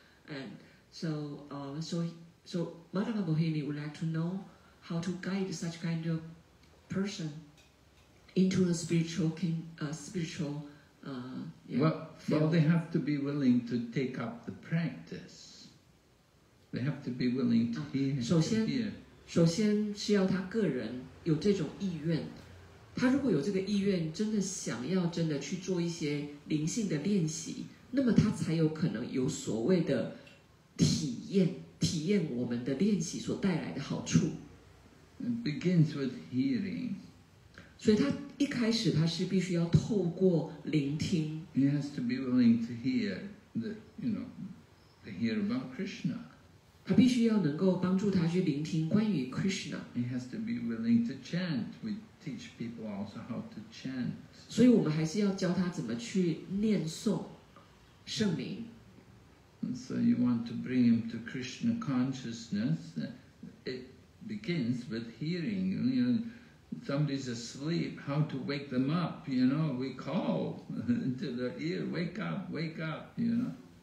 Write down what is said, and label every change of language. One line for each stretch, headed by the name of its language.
English: And so Madhava Mohini would like to know how to guide such kind of person into a spiritual field. They have to be willing to take up the practice. They have to be willing to hear. 首先
Chinese: 是要他个人有这种意愿。他如果有这个意愿，真的想要真的去做一些灵性的练习，那么他才有可能有所谓的体验我们的练习所带来的好处。
English: It begins with hearing.
Chinese: 所以他一开始他是必须要透过聆听。
English: He has to be willing to hear hear about Krishna.
Chinese: 他必须要能够帮助他去聆听关于 Krishna.
English: He has to be willing to chant. We teach people also how to chant.
Chinese: 所以我们还是要教他怎么去念诵圣名。
English: And so you want to bring him to Krishna consciousness. It begins with hearing. Somebody's asleep, how to wake them up, you know, we call into their ear, wake up, you know.